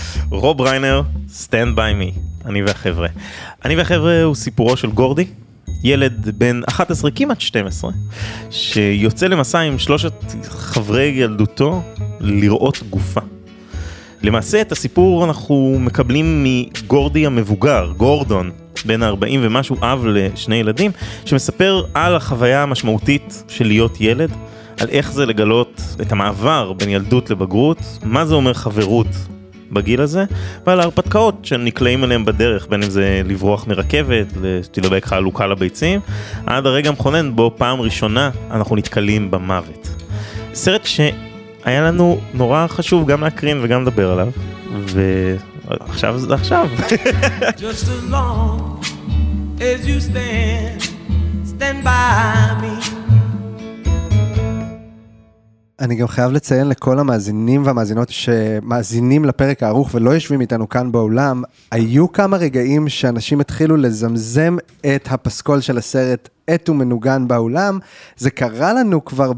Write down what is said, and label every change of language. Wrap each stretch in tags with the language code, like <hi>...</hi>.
<he>רוב ריינר, Stand By Me. אני והחבר'ה. אני והחבר'ה הוא סיפורו של גורדי, ילד בן 11, כמעט 12, שיוצא למסע עם שלושת חברי ילדותו לראות גופה. למעשה את הסיפור אנחנו מקבלים מגורדי המבוגר, גורדון, בן 40 ומשהו, אב לשני ילדים, שמספר על החוויה המשמעותית של להיות ילד, על איך זה לגלות את המעבר בין ילדות לבגרות, מה זה אומר חברות בגיל הזה, ועל ההרפתקאות שנקלעים עליהם בדרך, בין אם זה לברוח מרכבת, לתדבק חלוקה לביצים, עד הרגע המכונן בו פעם ראשונה אנחנו נתקלים במוות. סרט שהיה לנו נורא חשוב גם להקרין וגם לדבר עליו, ועכשיו זה עכשיו.</he> <en>Just as long as you stand by me.</en> <he>אני גם חייב לציין לכל המאזינים והמאזינות שמאזינים לפרק הארוך ולא יושבים איתנו כאן באולם, היו כמה רגעים שאנשים התחילו לזמזם את הפסקול של הסרט את ומנוגן באולם, זה קרה לנו כבר</he>